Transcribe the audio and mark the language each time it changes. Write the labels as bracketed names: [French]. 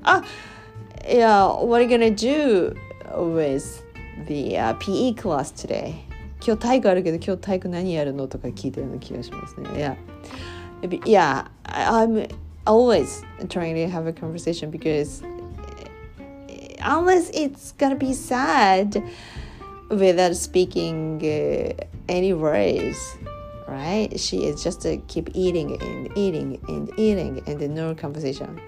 [English] あ、Yeah, what are you gonna do with the PE class today? [Japanese] 今日体育あるけど今日体育何やるのとか聞いてるの気がしますね。 [English] Yeah, I'm always trying to have a conversation because unless it's gonna be sad without speaking any words, right? She is just to keep eating and eating and eating and no conversation.